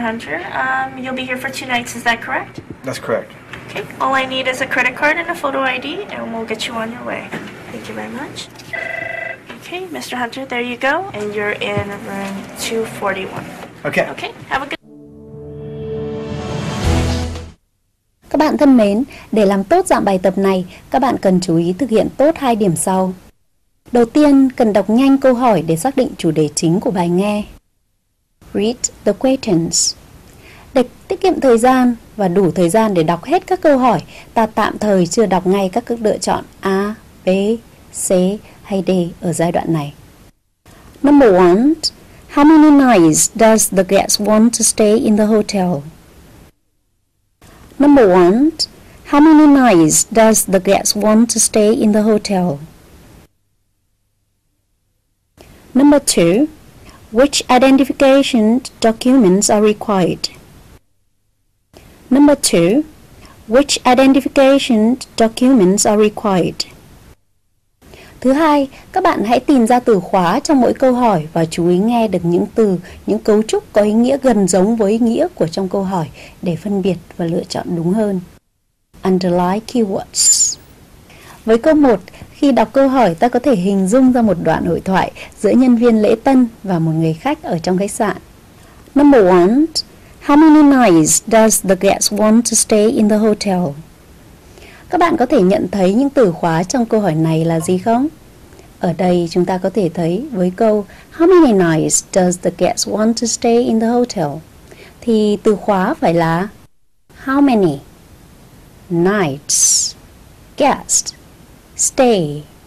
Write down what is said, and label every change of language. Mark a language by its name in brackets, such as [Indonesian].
[English] Hunter, you'll be here for 2 nights, is that correct? That's correct. Okay, all I need is a credit card and a photo ID, and we'll get you on your way. Thank you very much. Okay, Mr. Hunter, there you go, and you're in room 241. Okay. Okay, have a good... [Vietnamese] Các bạn thân mến, để làm tốt dạng bài tập này, các bạn cần chú ý thực hiện tốt hai điểm sau. Đầu tiên, cần đọc nhanh câu hỏi để xác định chủ đề chính của bài nghe. [English] Read the questions. [Vietnamese] Để tiết kiệm thời gian và đủ thời gian để đọc hết các câu hỏi, ta tạm thời chưa đọc ngay các lựa chọn A, B, C hay D ở giai đoạn này. [English] Number one, how many nights does the guest want to stay in the hotel? Number one, how many nights does the guest want to stay in the hotel? Number two, which identification documents are required? Number two, which identification documents are required? [Vietnamese] Thứ hai, các bạn hãy tìm ra từ khóa trong mỗi câu hỏi và chú ý nghe được những từ, những cấu trúc có ý nghĩa gần giống với ý nghĩa của trong câu hỏi để phân biệt và lựa chọn đúng hơn. [English] Underline keywords. [Vietnamese] Với câu 1, khi đọc câu hỏi, ta có thể hình dung ra một đoạn hội thoại giữa nhân viên lễ tân và một người khách ở trong khách sạn. [English] Number 1. How many nights does the guest want to stay in the hotel? [Vietnamese] Các bạn có thể nhận thấy những từ khóa trong câu hỏi này là gì không? Ở đây chúng ta có thể thấy với câu [English] How many nights does the guest want to stay in the hotel? [Vietnamese] Thì từ khóa phải là [English] How many nights guest stay?